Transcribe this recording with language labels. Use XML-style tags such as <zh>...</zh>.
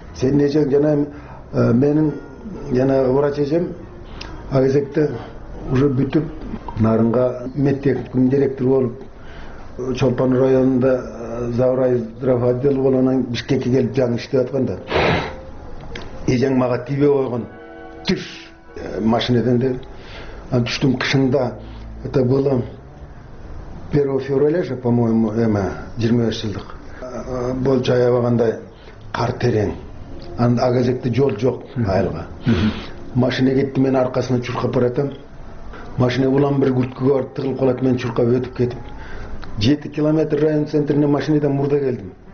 <ky>Сенин эжең жана менин жана врач эжем Агезекте уже бүтүп Нарынга медтехникум директору болуп Чолпон районунда завраи здравоотдел болгонан Бишкекке келип жаңы иштеп атканда эжең мага тийбей койгон, түш машинеден деп. Анан түштүм кышында,</ky> <ru>это было 1 февраля</ru> <ky>же,</ky> <ru>по-моему,</ru> <ky>25 жылдык. Болчу аябагандай кар терең. Анан Агезекте жол жок айылга. Машине кетти, мен аркасынан чуркап баратам. Машине улам бир күрткүгө барып тыгылып калат, мен чуркап өтүп кетип 7 километр район центрине машинеден мурда келдим.</ky>